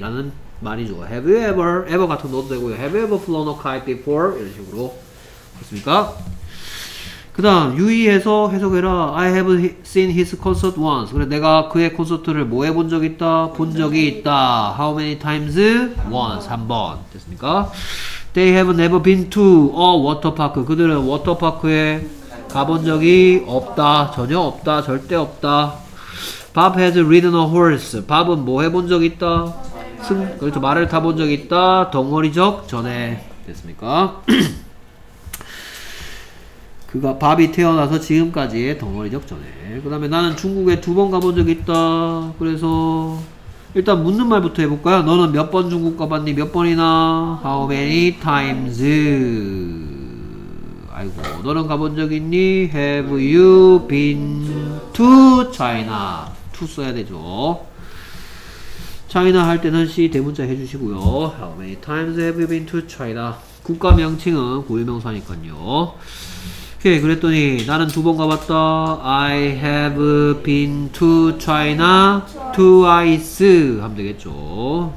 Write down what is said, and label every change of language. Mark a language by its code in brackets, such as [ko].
[ko] 라는 말이죠. [en] Have you ever [ko] 같은 것도 되고요. [en] Have you ever flown a kite before? [ko] 이런 식으로. 그렇습니까? 그 다음 유의해서 해석해라. [en] I have seen his concert once. [ko] 그래 내가 그의 콘서트를 뭐 해본 적 있다? 본 적이 있다. [en] How many times? Once. [ko] 한 번. 됐습니까? [en] They have never been to a water park. [ko] 그들은 워터파크에 가본 적이 없다. 전혀 없다. 절대 없다. [en] Bob has ridden a horse. [ko] Bob은 뭐 해본 적 있다? 그렇죠. 말을 타본 적 있다. 덩어리적 전에. 됐습니까? 그가 밥이 태어나서 지금까지의 덩어리적 전에. 그 다음에 나는 중국에 두 번 가본 적 있다. 그래서 일단 묻는 말부터 해볼까요? 너는 몇 번 중국 가봤니? 몇 번이나? [en] How many times? [ko] 아이고 너는 가본 적 있니? [en] Have you been to China? [ko] To 써야 되죠. China 할 때는 C 대문자 해주시고요. [en] How many times have you been to China? [ko] 국가 명칭은 고유명사니까요. 오케이. 그랬더니 나는 두 번 가봤다. [en] I have been to China twice [ko] 하면 되겠죠.